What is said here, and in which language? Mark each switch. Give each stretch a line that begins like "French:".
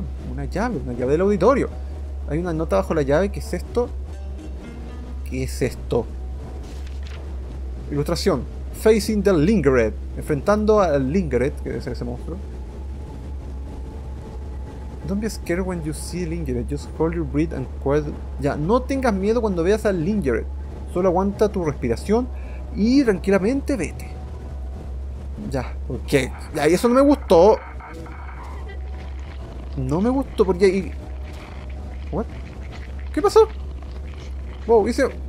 Spanish: Una llave del auditorio. Hay una nota bajo la llave. ¿Qué es esto? ¿Qué es esto? Ilustración.
English: Facing the Lingered.
Spanish: Enfrentando al Lingered, que debe ser ese monstruo.
English: Don't be scared when you see Lingered. Just hold your breath and quiet.
Spanish: Ya, no tengas miedo cuando veas al Lingered. Solo aguanta tu respiración y tranquilamente vete. Ya, ok. Ya, y eso no me gustó. No me gustó porque ahí.
English: What?
Spanish: ¿Qué pasó? Wow, hice.